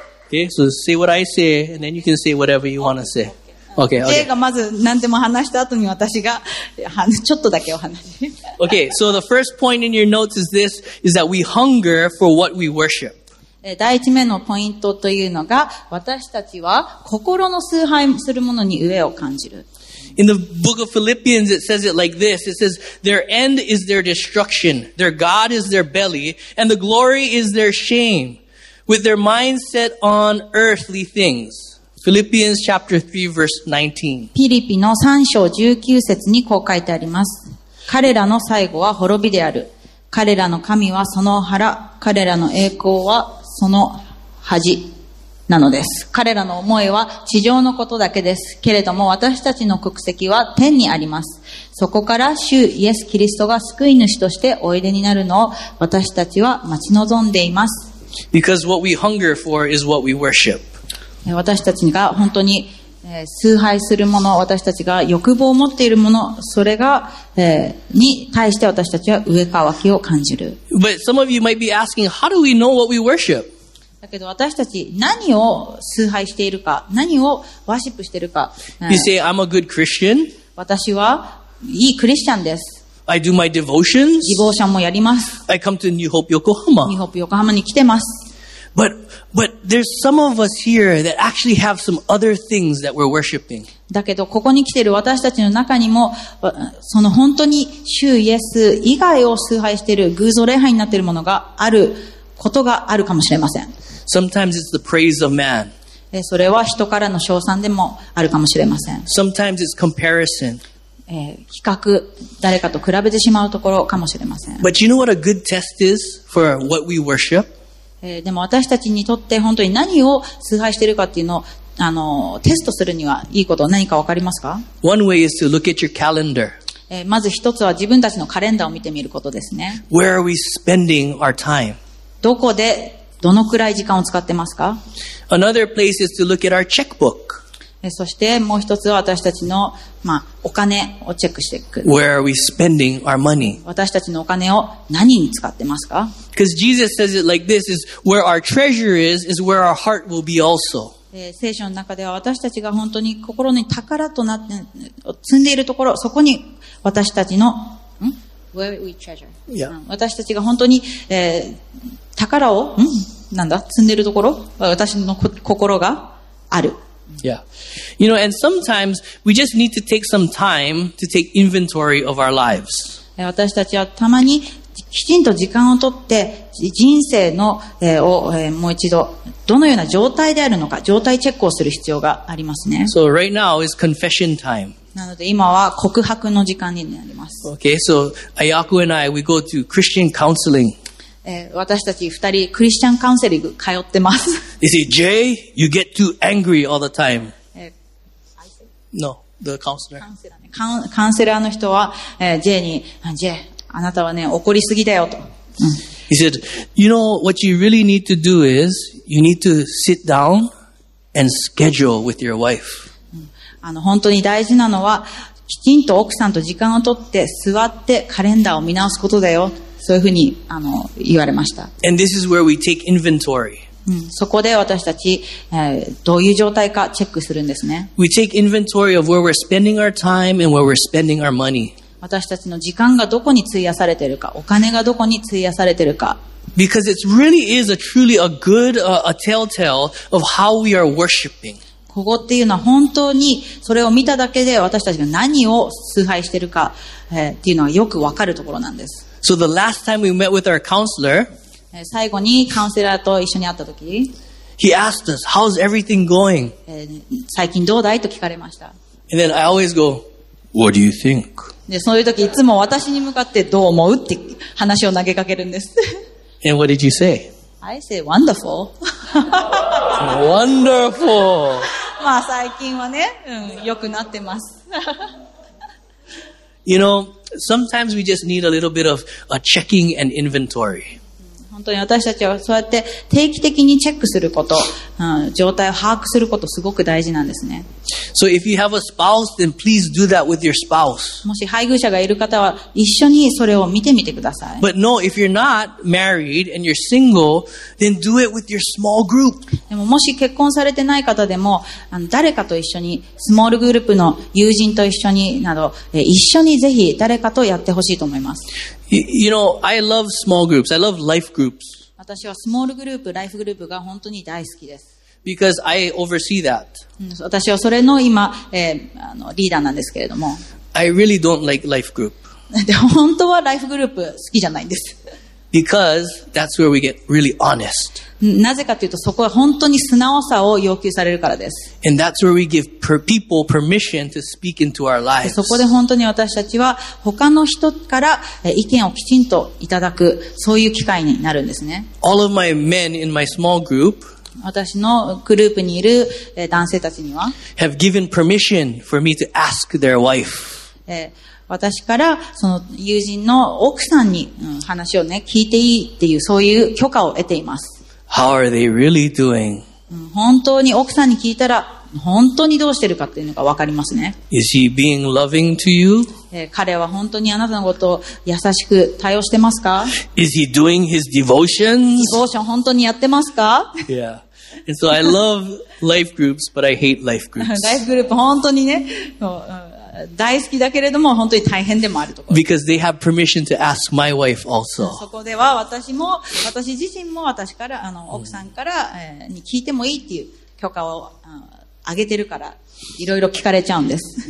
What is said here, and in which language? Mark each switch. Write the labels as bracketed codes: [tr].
[en] Okay, so say what I say, and then you can say whatever you want to say. Okay, okay. [ja] Jayがまず何でも話した後に私がちょっとだけお話し。 [en] Okay, so the first point in your notes is this, is that we hunger for what we worship. [ja] 第一目のポイントというのが、私たちは心の崇拝するものに飢えを感じる。 [en] In the book of Philippians, it says it like this. It says, their end is their destruction. Their God is their belly. And the glory is their shame. With their mind set on earthly things. Philippians chapter 3 verse 19. [ja] ピリピの3章19節にこう書いてあります。彼らの最後は滅びである。彼らの神はその腹。彼らの栄光はその恥。なのです。彼らの思いは地上のことだけです。けれども私たちの国籍は天にあります。そこから主イエス・キリストが救い主としておいでになるのを私たちは待ち望んでいます。 [en] Because what we hunger for is what we worship. [ja] 私たちが本当に崇拝するもの、私たちが欲望を持っているもの、それが、に対して私たちは飢え渇きを感じる。 [en] But some of you might be asking, how do we know what we worship? [ja] だけど私たち何を崇拝しているか、何をワシップしているか。 [en] You say, I'm a good Christian. [ja] 私はいいクリスチャンです。 [en] I do my devotions. [ja] ディボーションもやります。 [en] I come to New Hope Yokohama. [ja] New Hope Yokohama に来てます。 [en] But there's some of us here that actually have some other things that we're worshiping. [ja] だけどここに来ている私たちの中にも、その本当に主イエス以外を崇拝している偶像礼拝になっているものがあることがあるかもしれません。 [en] Sometimes it's the praise of man. [ja] それは人からの称賛でもあるかもしれません。 [en] Sometimes it's comparison. [ja] 比較、誰かと比べてしまうところかもしれません。 [en] But you know what a good test is for what we worship? [ja] でも私たちにとって本当に何を崇拝しているかっていうのを、テストするにはいいこと何かわかりますか? [en] One way is to look at your calendar. [ja] まず一つは自分たちのカレンダーを見てみることですね。 [en] Where are we spending our time? [ja] どこでどのくらい時間を使ってますか? [en] Another place is to look at our checkbook. [ja] そしてもう一つは私たちの、お金をチェックしていく。 [en] Where are we spending our money? [ja] 私たちのお金を何に使ってますか? [en] Because Jesus says it like this, is where our treasure is where our heart will be also. [ja] 聖書の中では私たちが本当に心に宝となって積んでいるところ、そこに私たちの、 [en] Where we treasure. Yeah. [ja] 私たちが本当に、宝を、なんだ、積んでるところ、私の心がある。 [en] Yeah. You know, and sometimes we just need to take some time to take inventory of our lives. [ja] 私たちはたまにきちんと時間をとって人生の、を、もう一度どのような状態であるのか状態チェックをする必要がありますね。 [en] So right now is confession time. [ja] なので今は告白の時間になります。 [en] Okay, so Ayaku and I, we go to Christian counseling. [ja] 私たち二人クリスチャンカウンセリング通ってます。 [en] You see, Jay, you get too angry all the time. No, the counselor. [ja] カウンセラーの人は、Jay に、Jay, あなたはね、怒りすぎだよと。 [en] He said, you know, what you really need to do is, you need to sit down and schedule with your wife. [ja] 本当に大事なのは、きちんと奥さんと時間をとって座ってカレンダーを見直すことだよ。そういうふうに言われました。 [en] And this is where we take inventory. [ja] そこで私たち、どういう状態かチェックするんですね。 [en] We take inventory of where we're spending our time and where we're spending our money. [ja] 私たちの時間がどこに費やされているか、お金がどこに費やされているか。 [en] Because it really is a truly a good, a telltale of how we are worshiping. [ja] ここっていうのは本当にそれを見ただけで私たちが何を崇拝してるか、っていうのはよくわかるところなんです。 [en] So the last time we met with our counselor, [ja] 最後にカウンセラーと一緒に会った時、 [en] He asked us, how's everything going? [ja] 最近どうだいと聞かれました。 [en] And then I always go, what do you think? [ja] で、そういう時いつも私に向かってどう思うって話を投げかけるんです。 [en] And what did you say? I say, wonderful. Wonderful. [ja] まあ最近はね、良くなってます。 [en] You know, sometimes we just need a little bit of a checking and inventory. [ja] 本当に私たちはそうやって定期的にチェックすること、状態を把握することすごく大事なんですね。 [en] So if you have a spouse, then please do that with your spouse. [ja] もし配偶者がいる方は一緒にそれを見てみてください。 [en] But no, if you're not married and you're single, then do it with your small group. [ja] でももし結婚されてない方でも、誰かと一緒に、スモールグループの友人と一緒になど、一緒にぜひ誰かとやってほしいと思います。 [en] You know, I love small groups. I love life groups. [ja] 私はスモールグループ、ライフグループが本当に大好きです。 [en] Because I oversee that. [ja] 私はそれの今、リーダーなんですけれども。 [en] I really don't like life group. [ja] 本当はライフグループ好きじゃないんです。 [en] Because that's where we get really honest. [ja] なぜかというとそこは本当に素直さを要求されるからです。 [en] And that's where we give people permission to speak into our lives. [ja] そこで本当に私たちは他の人から意見をきちんといただくそういう機会になるんですね。 [en] All of my men in my small group [ja] 私のグループにいる男性たちには [en] have given permission for me to ask their wife. [ja] 私からその友人の奥さんに話をね聞いていいっていうそういう許可を得ています。 [en] How are they really doing? [ja] 本当に奥さんに聞いたら本当にどうしてるかっていうのが分かりますね。 [en] Is he being loving to you? [ja] 彼は本当にあなたのことを優しく対応してますか? [en] Is he doing his devotions? [ja] デボーション本当にやってますか? [en] Yeah. And so I love life groups, but I hate life groups. [ja] Life group 本当にね、大好きだけれども本当に大変でもあるところ。 [en] Because they have permission to ask my wife also. [ja] そこでは私自身も私から奥さんから、に聞いてもいいっていう許可をあげてるからいろいろ聞かれちゃうんです。